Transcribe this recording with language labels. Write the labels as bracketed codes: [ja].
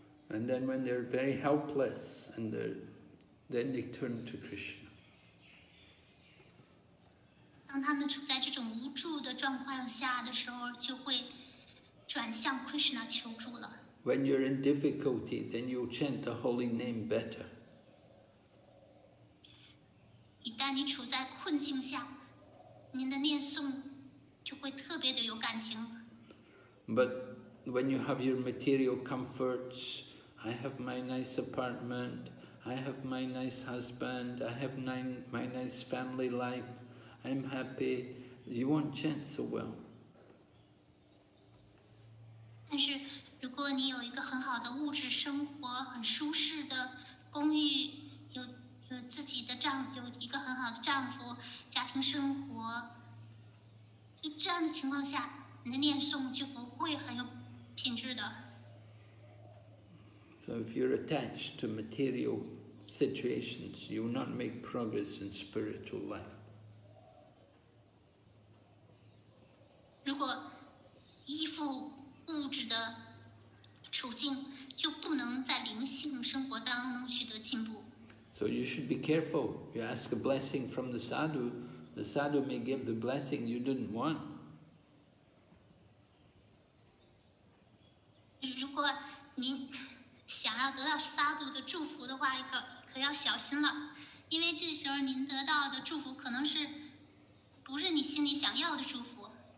[en] And then when they're very helpless, and then they turn to Krishna. [zh] 当他们处在这种无助的状况下的时候，就会转向 Krishna 求助了。 [en] When you're in difficulty, then you chant the holy name better. [zh] 一旦你处在困境下，您的念诵就会特别的有感情。 [en] But when you have your material comforts, I have my nice apartment, I have my nice husband, I have my nice family life, I'm happy, you won't chant so well. [zh] 但是如果你有一个很好的物质生活，很舒适的公寓，有自己的丈夫，有一个很好的丈夫，家庭生活，就这样的情况下你的念诵就不会很有品质的。 [en] So if you're attached to material situations, you will not make progress in spiritual life. [zh] 如果依附物质的处境，就不能在灵性生活当中取得进步。 [en] So you should be careful. You ask a blessing from the sadhu may give the blessing you didn't want. [zh] 如果您想要得到萨杜的祝福的话，可要小心了，因为这时候您得到的祝福可能是不是你心里想要的祝福。